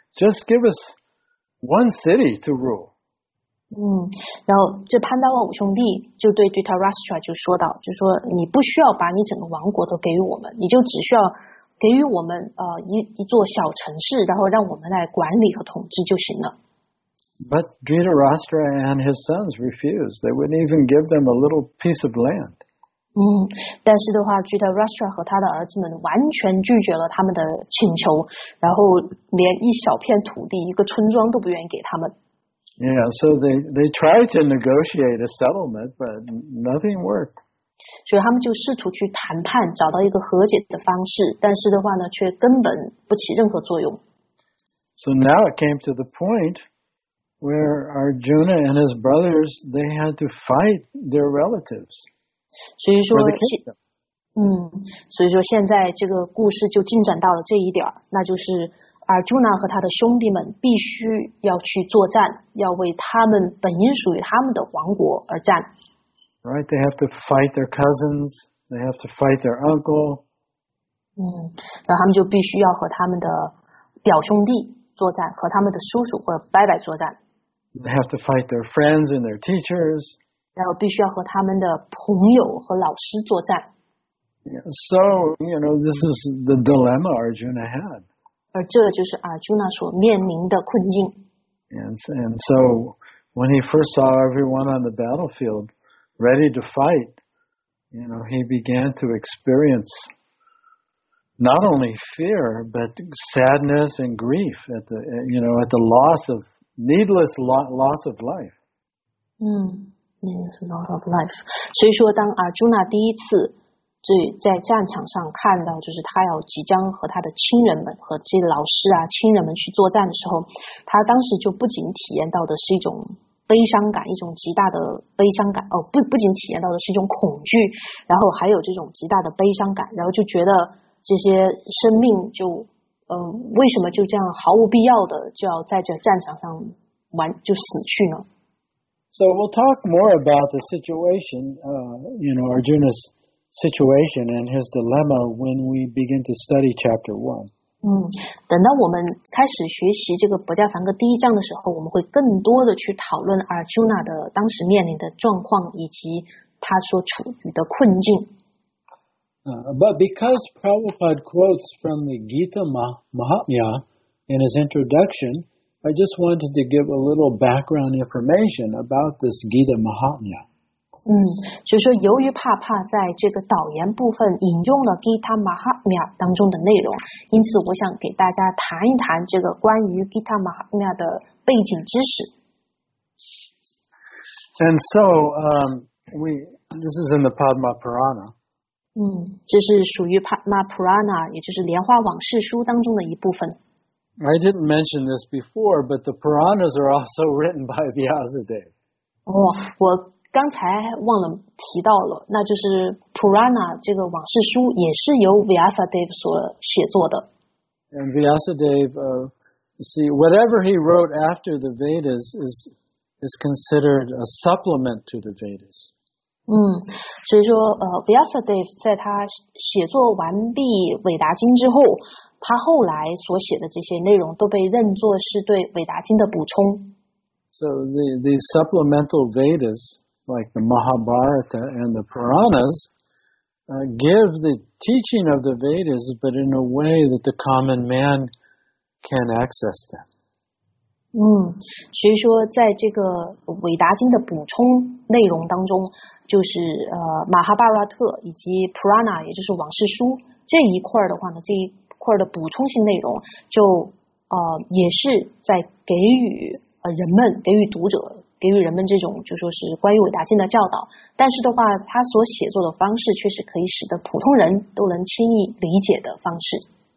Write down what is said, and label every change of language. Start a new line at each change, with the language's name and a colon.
English: Just give us one city to rule.
Chinese: 然后这潘达瓦五兄弟就对 Dhritarashtra 就说道，就说你不需要把你整个王国都给予我们，你就只需要给予我们一座小城市，然后让我们来管理和统治就行了。
English: But Dhritarashtra and his sons refused. They wouldn't even give them a little piece of land.
Chinese: 但是的话 Dhritarashtra 和他的儿子们完全拒绝了他们的请求，然后连一小片土地一个村庄都不愿意给他们。
English: Yeah, so they tried to negotiate a settlement, but nothing worked.
Chinese: 所以他们就试图去谈判，找到一个和解的方式，但是的话呢，却根本不起任何作用。
English: So now it came to the point where Arjuna and his brothers, they had to fight their relatives.
Chinese: 所以说现在这个故事就进展到了这一点，那就是 Arjuna 和他的兄弟们必须要去作战，要为他们本应属于他们的王国而战。
English: Right, they have to fight their cousins, they have to fight their uncle.
Chinese: 然后他们就必须要和他们的表兄弟作战，和他们的叔叔或伯伯作战。
English: They have to fight their friends and their teachers.
Chinese: 然后必须要和他们的朋友和老师作战。
English: So, you know, this is the dilemma Arjuna had.
Chinese: 而这就是 Arjuna 所面临的困境。
English: And so, when he first saw everyone on the battlefield ready to fight, you know, he began to experience not only fear, but sadness and grief at the, you know, at the loss of, needless loss of life. Mm, yes, loss of life.
Chinese: 所以说当阿朱娜第一次在战场上看到就是他要即将和他的亲人们和这些老师啊亲人们去作战的时候，他当时就不仅体验到的是一种悲伤感，一种极大的悲伤感，哦，不仅体验到的是一种恐惧，然后还有这种极大的悲伤感，然后就觉得这些生命就为什么就这样毫无必要的就要在这战场上完就死去呢？
English: So we'll talk more about the situation, you know, Arjuna's situation and his dilemma when we begin to study chapter 1.
Chinese: 等到我们开始学习这个《薄伽梵歌》第一章的时候，我们会更多的去讨论 Arjuna 的当时面临的状况以及他所处于的困境。
English: But because Prabhupada quotes from the Gita Mahatmya in his introduction, I just wanted to give a little background information about this Gita Mahatmya.
Chinese: 所以说由于帕帕在这个导言部分引用了 Gita Mahatmya 当中的内容，因此我想给大家谈一谈这个关于 Gita Mahatmya 的背景知识。
English: And so, this is in the Padma Purana.
Chinese: 这是属于 Padma Purana, 也就是莲花往事书当中的一部分。
English: I didn't mention this before, but the Puranas are also written by Vyasadeva.
Chinese: 我刚才忘了提到了，那就是 Purana 这个往事书也是由 Vyasadeva 所写作的。
English: And Vyasadeva, see, whatever he wrote after the Vedas is considered a supplement to the Vedas.
Chinese: 所以说Vyasadeva 在他写作完毕伟达经之后，他后来所写的这些内容都被认作是对伟达经的补充。
English: So the supplemental Vedas,like the Mahabharata and the Puranas, give the teaching of the Vedas, but in a way that the common man can access them.
Chinese: 所以说在这个韦达经的补充内容当中，就是马哈巴拉特以及 Purana, 也就是往事书这一块的话呢，这一块的补充性内容就也是在给予人们，给予读者，给予人们这种就说是关于伟大经的教导，但是的话他所写作的方式却是可以使得普通人都能轻易理解的方式。